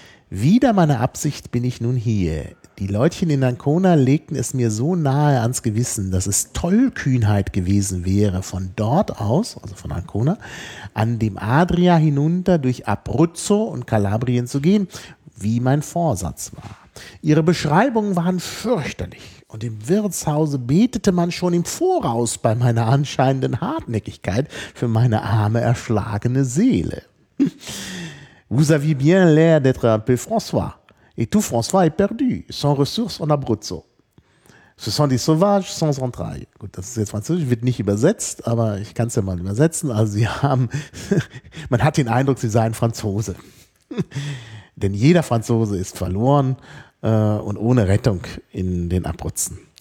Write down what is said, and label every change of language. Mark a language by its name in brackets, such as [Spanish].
[German] Wieder meine Absicht bin ich nun hier. Die Leutchen in Ancona legten es mir so nahe ans Gewissen, dass es Tollkühnheit gewesen wäre, von dort aus, also von Ancona, an dem Adria hinunter durch Abruzzo und Kalabrien zu gehen, wie mein Vorsatz war. Ihre Beschreibungen waren fürchterlich und im Wirtshause betete man schon im Voraus bei meiner anscheinenden Hartnäckigkeit für meine arme, erschlagene Seele. [French] Vous avez bien l'air d'être un peu François. Et tout François est perdu, sans ressources en Abruzzo. Ce sont des sauvages sans entrailles. [German] Gut, das ist jetzt Französisch, wird nicht übersetzt, aber ich kann es ja mal übersetzen. Also sie haben, man hat den Eindruck, sie seien Franzose. Denn jeder Franzose ist verloren und ohne Rettung in den Abruzzen.